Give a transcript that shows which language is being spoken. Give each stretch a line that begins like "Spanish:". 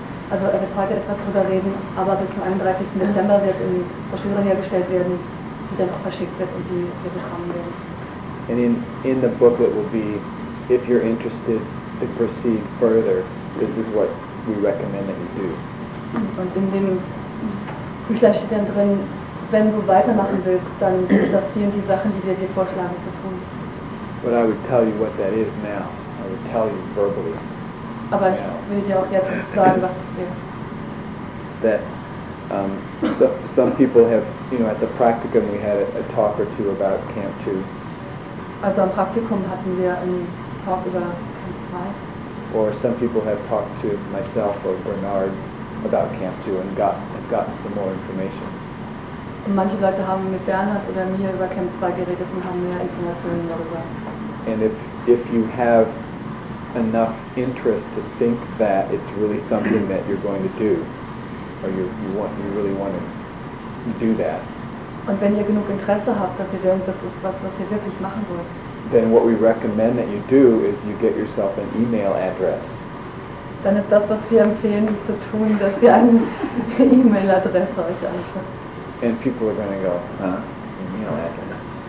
German: Also er wird heute etwas drüber reden, aber bis zum 31. Dezember wird eine Broschüre hergestellt werden, die dann auch verschickt wird und die wir bekommen werden.
English: And in the booklet will be, if you're interested to proceed further, this is what we recommend that you do.
German: Und in dem Büchlein steht dann drin, wenn du weitermachen willst, dann sind das die und die Sachen, die wir dir vorschlagen zu tun.
English: But I would tell you what that is now. I would tell you verbally.
German: Aber ich will dir auch jetzt sagen, was das ist.
English: That some people have, you know, at the practicum we had a talk or two about Camp 2.
German: Also am Praktikum hatten wir einen Talk über Camp 2.
English: Or some people have talked to myself or Bernard about Camp 2 and gotten some more information.
German: Und manche Leute haben mit Bernhard oder mir über Camp 2 geredet und haben mehr Informationen darüber.
English: And if you have enough interest to think that it's really something that you're going to do, or you really want to do that.
German: Und wenn ihr genug Interesse habt, dass ihr denkt, das ist was ihr wirklich machen wollt.
English: Then what we recommend that you do is you get yourself an email address.
German: Dann ist das, was wir empfehlen zu tun, dass ihr eine E-Mail-Adresse euch anschaut.
English: And people are going to go, email address.